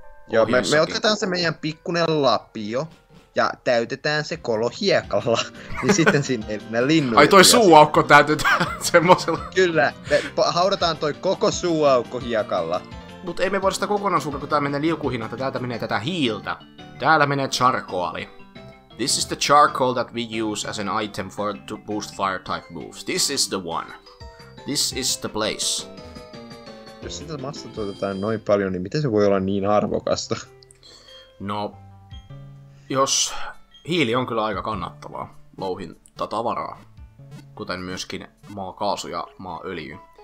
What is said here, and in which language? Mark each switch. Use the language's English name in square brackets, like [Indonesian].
[Finnish] Joo, me otetaan se meidän pikkunen lapio, ja täytetään se kolo hiekalla, niin sitten sinne ne linnut. Ai toi suuaukko täytetään semmosella. Kyllä, me haudataan toi koko suuaukko hiekalla. Mut ei me voida sitä kokonaan sulkea, kun tää menee liukuhina, että täältä menee tätä hiiltä. Täällä menee charcoali. [English] This is the charcoal that we use as an item for to boost fire type moves. This is the one. This is the place. [Finnish] Jos sitä massa tuotetaan noin paljon, niin miten se voi olla niin arvokasta? No, jos hiili on kyllä aika kannattavaa louhintatavaraa, kuten myöskin maakaasu ja maaöljy.